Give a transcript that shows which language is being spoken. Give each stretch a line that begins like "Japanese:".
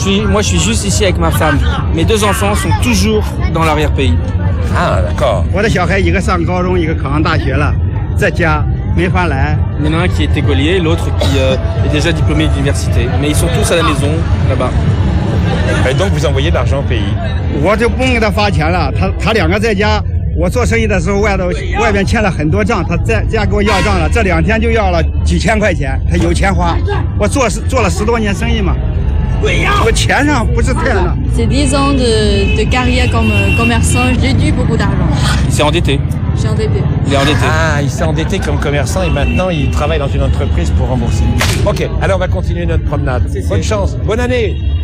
French: Moi, je suis juste ici avec ma femme. Mes deux enfants sont toujours dans l'arrière-pays. Ah, d'accord.
Chinese: 我的小孩一个上高中，一个考上大学了，在家没法来。
French: Il y en a un qui est écolier, l'autre qui est déjà diplômé d'université. Mais ils sont tous à la maison là-bas. Et donc, vous envoyez l'argent au pays.
Chinese: 我就不用给他发钱了。他两个在家，我做生意的时候外边欠了很多账，他在家给我要账了。这两天就要了几千块钱，他有钱花。我做了十多年生意嘛。
French: C'est 10 ans de carrière comme commerçant, j'ai dû beaucoup d'argent. Il s'est endetté. Il est endetté. Ah, il s'est endetté comme commerçant et maintenant il travaille dans une entreprise pour rembourser. Ok, alors on va continuer notre promenade. C'est bonne chance, bonne année!